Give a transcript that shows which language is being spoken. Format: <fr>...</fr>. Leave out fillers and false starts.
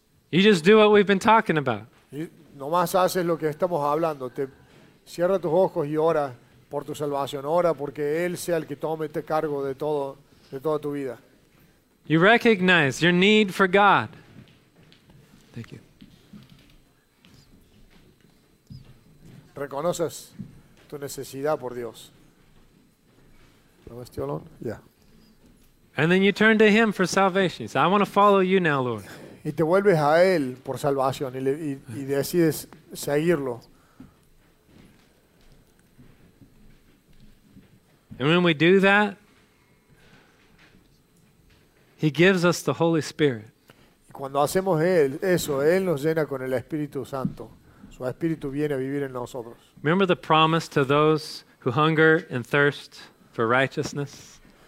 <en>You just do what we've been talking about.</en> <es>Nomás haces lo que estamos hablando. Te cierra tus ojos y ora por tu salvación. Ora porque Él sea el que tome este cargo de toda tu vida.</es> <en>You recognize your need for God. Thank you.</en> <es>Reconoces tu necesidad por Dios. ¿Estás</es> <en>alone? Yeah. And then you turn to Him for salvation. So I want to follow you now, Lord.</en> <es>Y te vuelves a Él por salvación y decides seguirlo.</es> <en>And when we do that, He gives us the Holy Spirit.</en> <es>Y cuando hacemos eso, Él nos llena con el Espíritu Santo. Su Espíritu viene a vivir en nosotros.</es> <en>Remember the promise to those who hunger and thirst for righteousness?</en>